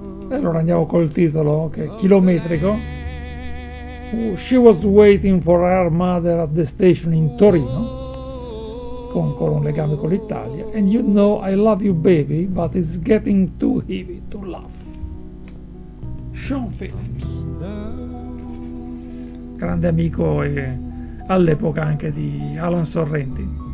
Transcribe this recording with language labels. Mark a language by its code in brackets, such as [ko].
[it] Allora andiamo col titolo, che è chilometrico. [en] She was waiting for her mother at the station in Torino, [it] con ancora un legame con l'Italia. [en] And you know I love you baby, but it's getting too heavy to love. [it] Sean Phillips, grande amico e all'epoca anche di Alan Sorrenti.